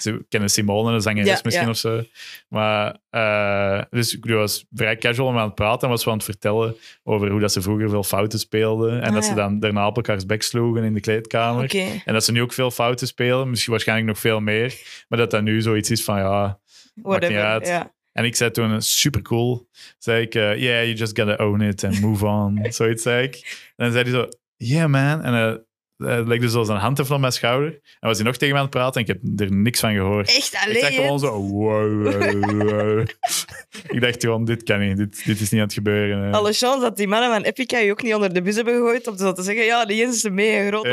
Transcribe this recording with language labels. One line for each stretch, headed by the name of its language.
Dutch: Ze kennen Simone, de zangeres misschien of zo. Maar dus ik was vrij casual om aan het praten en was aan het vertellen over hoe dat ze vroeger veel fouten speelden. En dat ze dan daarna op elkaars bek sloegen in de kleedkamer. Okay. En dat ze nu ook veel fouten spelen, misschien waarschijnlijk nog veel meer. Maar dat nu zoiets is van, maakt niet uit. Ja. En ik zei toen, super cool. Zei ik,
English: you just gotta own it and move on.
Dutch: Zoiets zei ik. En dan zei hij zo, man. En hij legde zo zijn hand even op mijn schouder. En was hij nog tegen mij aan het praten en ik heb er niks van gehoord. Echt alleen? Ik dacht gewoon zo, wow. Ik dacht gewoon, dit kan niet. Dit is niet aan het gebeuren. Hè. Alle chance dat die mannen van Epica je ook niet onder de bus hebben gegooid om zo te zeggen, die Jens is een mega grote fanboy.